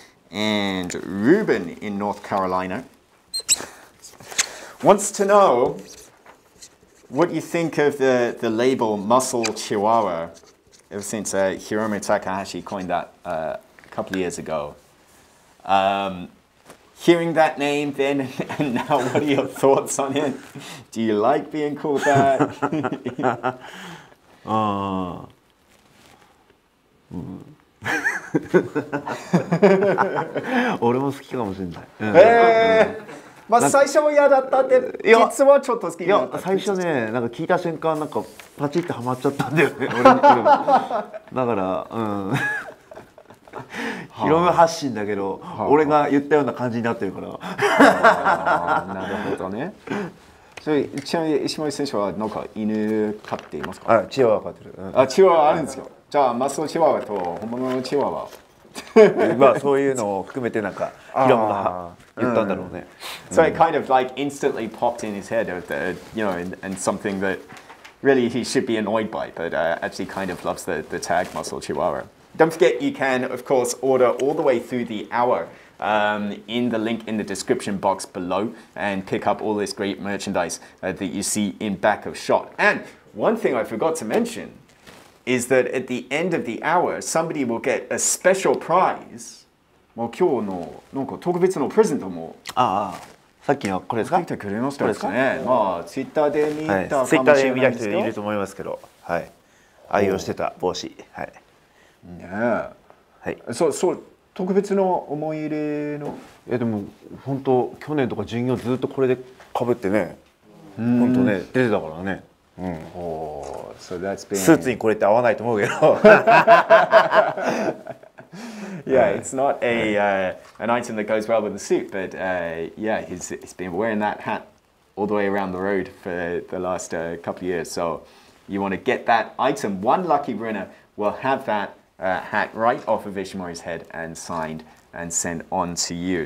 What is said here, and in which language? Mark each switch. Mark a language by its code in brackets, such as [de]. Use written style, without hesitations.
[en] And Ruben in North Carolina... wants to know what you think of the label Muscle Chihuahua ever since Hiromu Takahashi coined that a couple of years ago. Hearing that name then and now, what are your thoughts on it? Do you like being called that? [ja] うん。俺も好きかもしれない。まあ、最初は嫌だったって、実はちょっと好きだった。いや、最初ね、なんか聞いた瞬間、なんかパチッてハマっちゃったんだよね、俺に。だから、うん。ヒロム発信だけど、俺が言ったような感じになってるから。なるほどね。それちなみに、石森選手はなんか犬飼っていますか？あ、チワワ飼ってる。あ、チワワあるんですよ。じゃあ、マスのチワワと本物のチワワ。まあ、そういうのを含めてなんか、ヒロムが。 [en] So it kind of like instantly popped in his head, the, you know, and something that really he should be annoyed by, but actually kind of loves the tag Muscle Chihuahua. Don't forget, you can, of course, order all the way through the hour in the link in the description box below and pick up all this great merchandise that you see in back of shot. And one thing I forgot to mention is that at the end of the hour, somebody will get a special prize. [ja] まあ、今日のなんか特別のプレゼントも。ああ、さっきのこれですか？来てくれましたですね。まあ、ツイッターで見たかもしれないですけど。ツイッターで見た人いると思いますけど、はい、愛用してた帽子、はい。ねえ、はい。そう、特別の思い入れの。いやでも本当去年とか巡業ずっとこれで被ってね、本当ね出てたからね。 [en] うん。おお、so that's been [ja] スーツにこれって合わないと思うけど。 [en] Yeah, it's not a an item that goes well with the suit, but yeah, he's been wearing that hat all the way around the road for the last couple of years. So you want to get that item. One lucky winner will have that hat right off of Ishimori's head and signed and sent on to you.